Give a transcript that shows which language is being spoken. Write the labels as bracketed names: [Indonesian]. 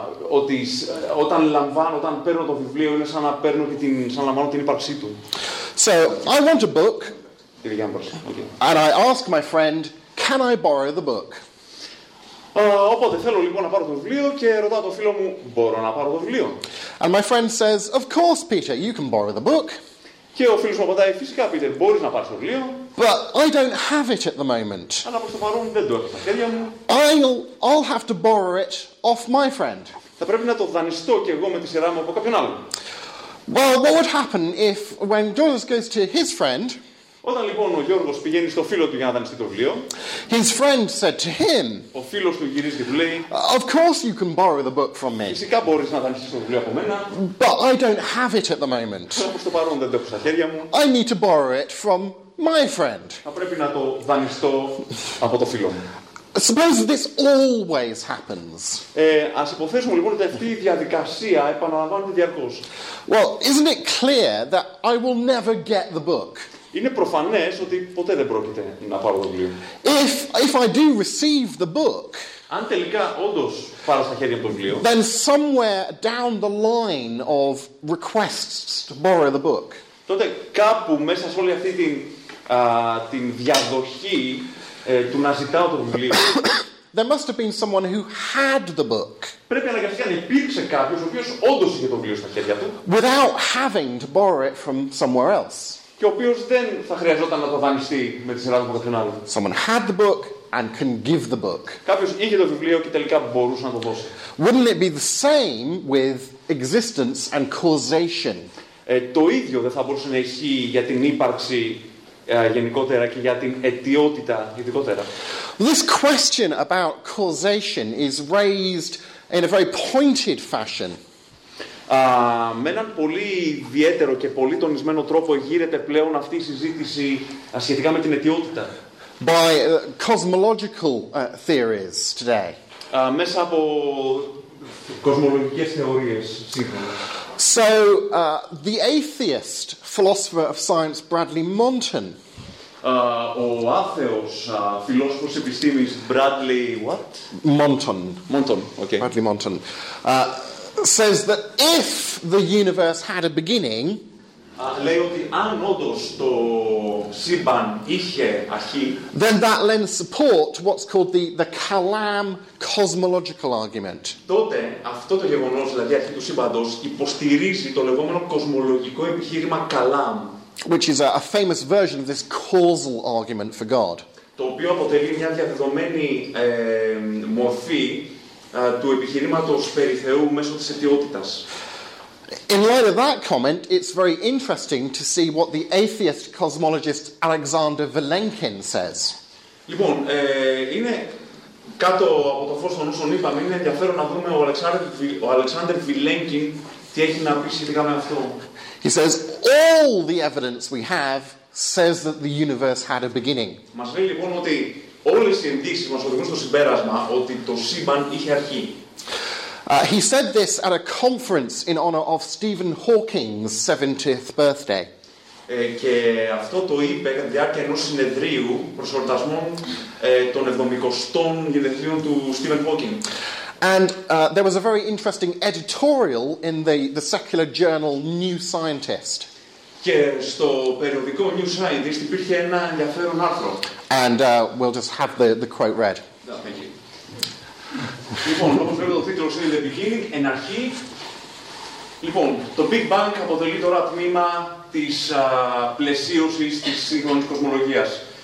[Greek] Όταν παίρνω το βιβλίο, είναι σαν να παίρνω και την, σαν να λαμβάνω την ύπαρξή του. [English] So, I want a book. Okay. And I ask my friend, can I borrow the book? [Greek] Οπότε θέλω λοιπόν να πάρω το βιβλίο και ρωτάω το φίλο μου, μπορώ να πάρω το βιβλίο? [English] And my friend says, of course, Peter, you can borrow the book. [Greek] Και ο φίλος μου απαντάει, φυσικά, Peter, μπορείς να πάρεις το βιβλίο. [English] But I don't have it at the moment. [Greek] Αλλά προς το παρόν δεν το έχω στα χέρια μου. [English] I'll have to borrow it off my friend. [Greek] Θα πρέπει να το δανειστώ και εγώ με τη σειρά μου από κάποιον άλλον. [English] Well, what would happen if, when Doris goes to his friend, [Greek] όταν λοιπόν ο Γιώργος πηγαίνει στο φίλο του για να δανειστεί το βιβλίο, [English] his friend said to him, [Greek] ο φίλος του γυρίζει και του λέει, [English] of course you can borrow the book from me. [Greek] Φυσικά μπορείς να δανειστείς το βιβλίο από μένα. [English] But I don't have it at the moment. [Greek] Προς το παρόν δεν το έχω στα χέρια μου. [English] I need to borrow it from my friend. [Greek] Θα πρέπει να το δανειστώ από το φίλο μου. [English] Suppose this always happens. [Greek] Ας υποθέσουμε λοιπόν ότι αυτή η διαδικασία επαναλαμβάνεται διαρκώς. [English] Well, isn't it clear that I will never get the book? [Greek] Είναι προφανές ότι ποτέ δεν πρόκειται να πάρω το βιβλίο. [English] If I do receive the book, [Greek] αν τελικά όντως πάρω στα χέρια το βιβλίο, [English] then somewhere down the line of requests to borrow the book, [Greek] τότε κάπου μέσα σε όλη αυτή την διαδοχή του να ζητάω το βιβλίο, [English] there must have been someone who had the book. [Greek] Πρέπει αναγκαστικά να υπήρξε κάποιος ο οποίος όντως είχε το βιβλίο στα χέρια του, [English] without having to borrow it from somewhere else. [Greek] Και ο οποίος δεν θα χρειαζόταν να το δανειστεί με τη σειρά του από κάποιον άλλο. [English] Someone had the book and can give the book. [Greek] Κάποιος είχε το βιβλίο και τελικά μπορούσε να το δώσει. [English] Wouldn't it be the same with existence and causation? [Greek] Το ίδιο δεν θα μπορούσε να ισχύει για την ύπαρξη γενικότερα και για την αιτιότητα ειδικότερα. [English] This question about causation is raised in a very pointed fashion. [Greek] Με έναν πολύ ιδιαίτερο και πολύ τονισμένο τρόπο γύρεται πλέον αυτή η συζήτηση σχετικά με την αιτιότητα. [English] By cosmological theories today. [Greek] Μέσα από κοσμολογικές θεωρίες σήμερα. [English] So, the atheist philosopher of science Bradley Monton. [Greek] Ο άθεος φιλόσοφος επιστήμης Bradley what? [English] Monton. Monton, okay. Bradley Monton. Says that if the universe had a beginning, [Greek] λέει ότι αν όντως το σύμπαν είχε αρχή, [English] then that lends support to what's called the Kalam cosmological argument. [Greek] Τότε αυτό το γεγονός, δηλαδή αρχή του σύμπαντος, υποστηρίζει το λεγόμενο κοσμολογικό επιχείρημα Kalam, [English] which is a famous version of this causal argument for God. [Greek] Το οποίο αποτελεί μια διαδεδομένη μορφή του επιχειρήματος περί Θεού μέσω της αιτιότητας. [English] in light of that comment, it's very interesting to see what the atheist cosmologist Alexander Vilenkin says. [Greek] Λοιπόν, είναι κάτω από το φως των όσων είπαμε, είναι ενδιαφέρον να δούμε ο Alexander Vilenkin τι έχει να πει σχετικά με αυτό. [English] He says, all the evidence we have says that the universe had a beginning. [Greek] Μας λέει λοιπόν ότι όλες οι ενδείξεις μας οδηγούν στο συμπέρασμα ότι το σύμπαν είχε αρχή. [English] He said this at a conference in honor of Stephen Hawking's 70th birthday. [Greek] Και αυτό το είπε κατά τη διάρκεια ενός συνεδρίου προς εορτασμών των 70ων γενεθλίων του Stephen Hawking. [English] And there was a very interesting editorial in the secular journal New Scientist. [Greek] Και στο περιοδικό New Scientist υπήρχε ένα ενδιαφέρον άρθρο. [English] And we'll just have the quote read. [Greek] Λοιπόν, όπως βλέπετε, ο τίτλος είναι [English] The Beginning, [Greek] εν αρχή. Λοιπόν, το Big Bang αποτελεί τώρα τμήμα της πλαισίωσης της σύγχρονης κοσμολογίας.